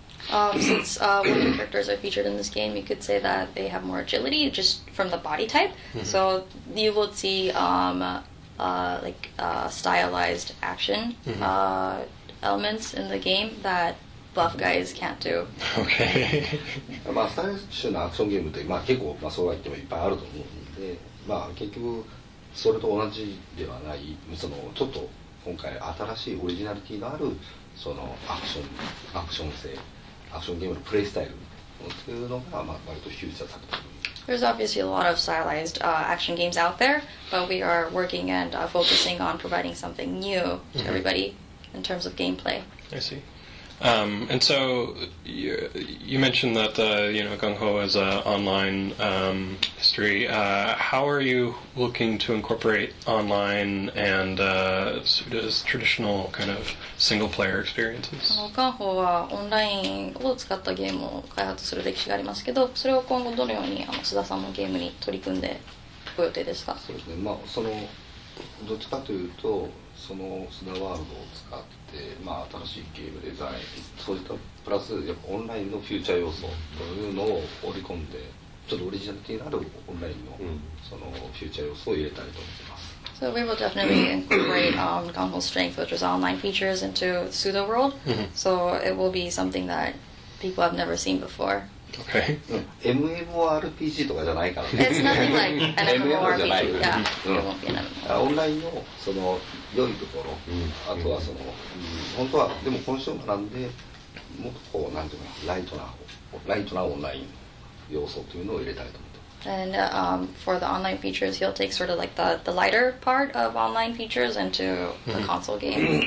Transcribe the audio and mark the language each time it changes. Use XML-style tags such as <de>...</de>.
<en>Since women characters are featured in this game, you could say that they have more agility just from the body type. So you would see stylized action elements in the game that buff guys can't do. Okay.</en> <ja>まあ最初のアクションゲームってまあ結構まあそうは言ってもいっぱいあると思うんで、まあ結局それと同じではない、そのちょっと今回新しいオリジナリティのあるそのアクション性、アクションゲームのプレイスタイルっていうのがまあ割とフューチャーされてる。</ja> <en>There's obviously a lot of stylized action games out there, but we are working and focusing on providing something new to mm-hmm. everybody in terms of gameplay. I see. And so you mentioned that you know, Gung Ho is an online history. How are you looking to incorporate online and sort of traditional kind of single player experiences?</en> <ja>Gung Ho はオンラインを使ったゲームを開発する歴史がありますけど、それを今後どのように須田さんのゲームに取り組んでご予定ですか？そうですね。まあそのどっちかというとその須田ワールドを使ってまあ、新しいゲームデザインそういったプラスやっぱオンラインのフューチャー要素というのを織り込んでちょっとオリジナリティのあるオンラインの、うん、そのフューチャー要素を入れたいと思ってます。</ja> <en>So we will definitely incorporate Gung Ho's strength, which is online features, into Pseudo World. So it will be something that people have never seen before. Okay.</en> <ja>MMORPG とかじゃないからね。</ja> <en>It's nothing like an MMORPG. Yeah. It won't be an MMORPG.</en> <ja>オンラインのその良いところ、あとはその、本当はでもコンシューマーなんでもっとこうなんていうかライトなオンライン要素というのを入れたいと思って。</ja> <en>And for the online features, he'll take sort of like the lighter part of online features into the console game.</en>